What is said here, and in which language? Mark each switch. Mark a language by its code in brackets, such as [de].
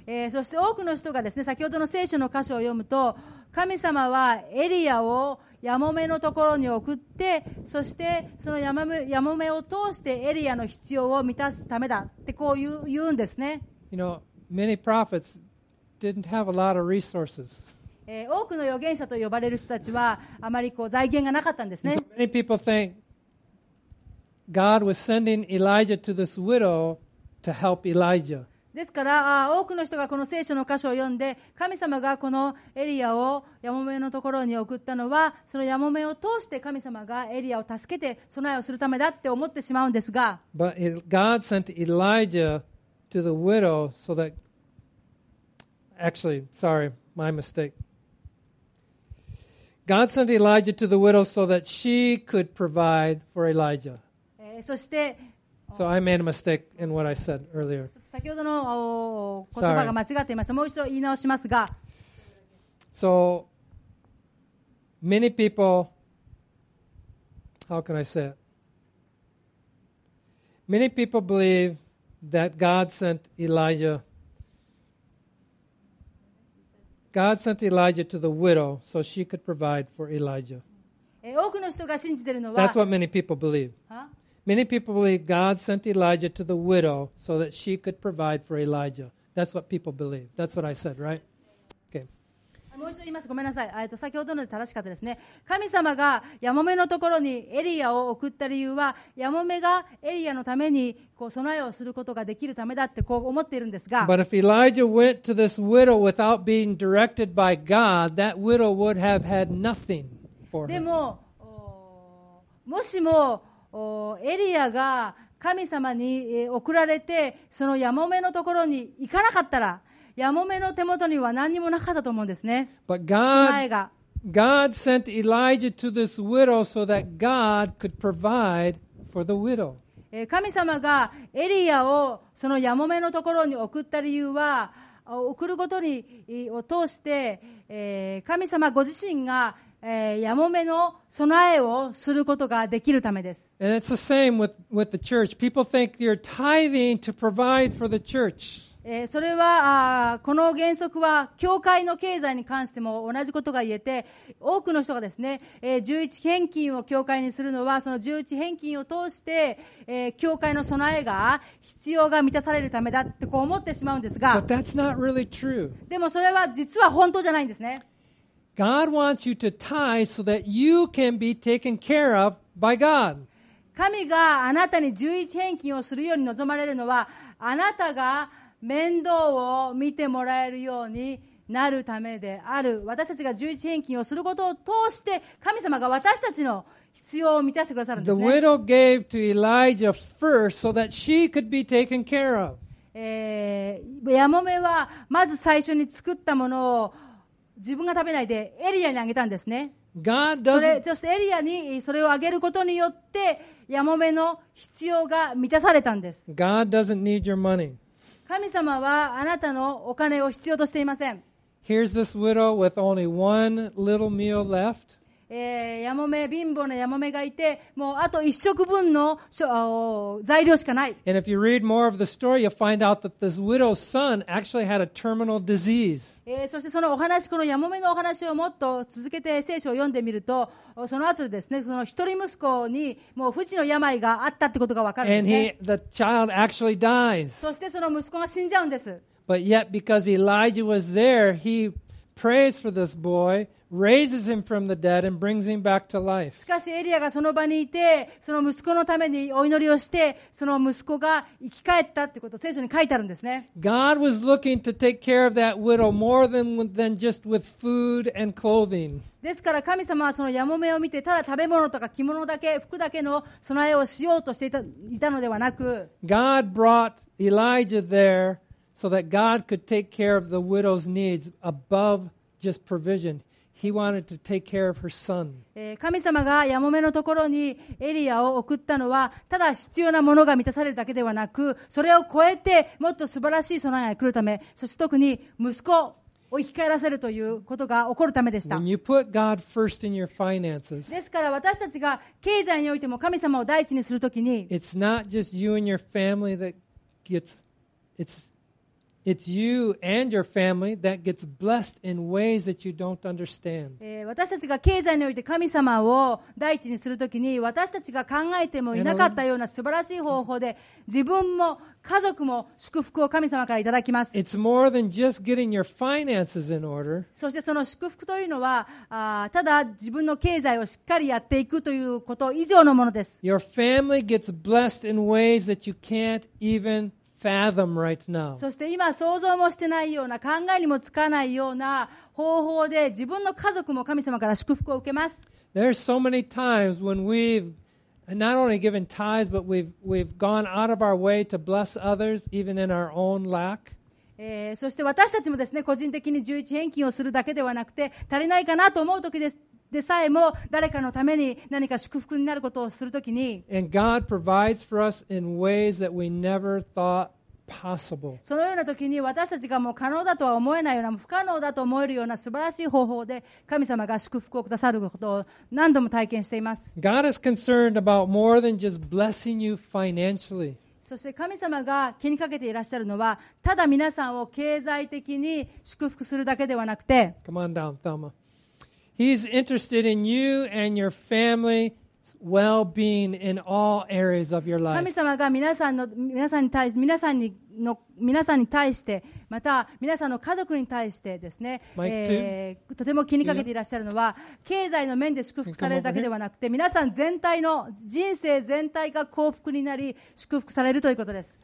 [ja] そして多くの人がですね、先ほどの聖書の箇所を読むと、神様はエリアをヤモメのところに送って、そしてそのヤモメを通してエリアの必要を満たすためだってこう言うんですね。 [en] You know, many prophets didn't have a lot of resources. [ja] 多くの預言者と呼ばれる人たちはあまりこう財源がなかったんですね。 [en] Many people think God was sending Elijah to this widow to help Elijah. [ja] ですから多くの人がこの聖書の箇所を読んで神様がこのエリアをヤモメのところに送ったのはそのヤモメを通して神様がエリアを助けて備えをするためだって思ってしまうんですが [en] But God sent Elijah to the widow so that actually, sorry, my mistake. God sent Elijah to the widow so that she could provide for Elijah. [ja] そして [en] So I made a mistake in what I said earlier. [ja] 先ほどの言葉が間違っていました。 [en] Sorry. [ja] もう一度言い直しますが。 [en] So, many people, how can I say it? Many people believe that God sent Elijah to the widow so she could provide for Elijah. [ja] 多くの人が信じているのは。 [en] That's what many people believe. Huh? Many people believe God sent Elijah to the widow so that she could provide for Elijah. That's what people believe. That's what I said, right? Okay. [ja] もう一度言います。ごめんなさい。先ほどので正しかったですね。神様がヤモメのところにエリアを送った理由は、ヤモメがエリアのためにこう備えをすることができるためだってこう思っているんですが。 [en] But if Elijah went to this widow without being directed by God, that widow would have had nothing for her. [ja] でも、もしも、エリアが神様に送られてそのヤモメのところに行かなかったらヤモメの手元には何にもなかったと思うんですね。 [en] But God sent Elijah to this widow so that God could provide for the widow. [ja] 神様がエリアをそのヤモメのところに送った理由は送ることにを通して神様ご自身がヤモメの備えをすることができるためです。 [en] And it's the same with the church. People think you're tithing to provide for the church. [ja] それはこの原則は教会の経済に関しても同じことが言えて、多くの人がですね、11献金を教会にするのはその11献金を通して教会の備えが必要が満たされるためだってこう思ってしまうんですが、 [en] But that's not really true. [ja] でもそれは実は本当じゃないんですね。 [en] God wants you to tithe so that you can be taken care of by God. [ja] 神があなたに十一献金をするように望まれるのは、あなたが面倒を見てもらえるようになるためである。私たちが十一献金をすることを通して、神様が私たちの必要を満たしてくださるんですね。 [en] The widow gave to Elijah first so that she could be taken care of. [ja] ヤモメはまず最初に作ったものを自分が食べないでエリアにあげたんですね。 [en] God doesn't... [ja] そしてエリアにそれをあげることによってヤモメの必要が満たされたんです。 [en] God doesn't need your money. [ja] 神様はあなたのお金を必要としていません。 [en] Here's this widow with only one little meal left. [ja] ヤモメ、貧乏なヤモメがいて、もうあと一食分の材料しかない。 [en] And if you read more of the story, you'll find out that this widow's son actually had a terminal disease. [ja] そしてそのお話、このヤモメのお話をもっと続けて聖書を読んでみると、その後でですね、その一人息子にもう不治の病があったってことがわかるんですね。 [en] And the child actually dies. [ja] そしてその息子が死んじゃうんです。 [en] But yet, because Elijah was there, he prays for this boy. Raises him from the dead and brings him back to life. [ja] しかしエリアがその場にいて、その息子のためにお祈りをして、その息子が生き返ったってこと、聖書に書いてあるんですね。 [en] God was looking to take care of that widow more than just with food and clothing. [ja] ですから神様はそのヤモメを見て、ただ食べ物とか着物だけ、服だけの備えをしようとしていたのではなく、 [en] God brought Elijah there so that God could take care of the widow's needs above just provision. He wanted to take care of her son. [ja] 神様がヤモメのところにエリアを送ったのはただ必要なものが満たされるだけではなくそれを超えてもっと素晴らしい備えが来るためそして特に息子を生き返らせるということが起こるためでした。 [en] When you put God first in your finances, [ja] ですから私たちが経済においても神様を第一にするときに [en] It's not just you and your family that gets It's you and your family that gets blessed in ways that you don't understand. [ja] 私たちが経済において神様を第一にするときに私たちが考えてもいなかったような素晴らしい方法で自分も家族も祝福を神様からいただきます。 [en] It's more than just getting your finances in order. [ja] そしてその祝福というのはただ自分の経済をしっかりやっていくということ以上のものです。 [en] Your family gets blessed in ways that you can't evenFathom right、now. [ja] そして今想像もしてないような考えにもつかないような方法で自分の家族も神様から祝福を受けます。 [en] There are so many times when we've not only given tithes, but we've gone out of our way to bless others, even in our own lack. [ja] そして私たちもですね、個人的に11返金をするだけではなくて、足りないかなと思う時です。でさえも誰かのために何か祝福になることをするときに [en] And God provides for us in ways that we never thought possible. [ja] そのようなときに私たちがもう可能だとは思えないような不可能だと思えるような素晴らしい方法で神様が祝福をくださることを何度も体験しています [en] God is concerned about more than just blessing you financially. [ja] そして神様が気にかけていらっしゃるのはただ皆さんを経済的に祝福するだけではなくて [en] Come on down, Thelma. He's interested in you and your family's well-being in all areas of your life. [ja] 神様が皆さんに対して、また皆さんの家族に対してですね、とても気にかけていらっしゃるのは、経済の面で祝福されるだけではなくて、皆さん全体の人生全体が幸福になり祝福されるということです。